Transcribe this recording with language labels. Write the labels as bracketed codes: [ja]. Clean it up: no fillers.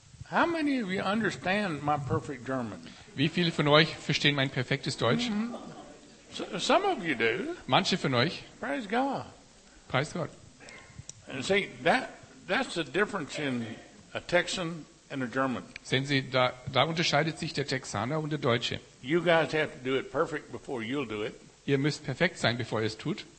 [en] How many of you understand my perfect German? [de] Wie viele von euch verstehen mein perfektes Deutsch? [en] Mm-hmm. Some of you do. [de] Manche von euch. [en] Praise God. [de] Preist Gott. [en] And see, that's the difference in a Texan and a German. [de] Sehen Sie, da unterscheidet sich der Texaner und der Deutsche. [en] You guys have to do it perfect before you'll do it. [de] Ihr müsst perfekt sein, bevor ihr es tut.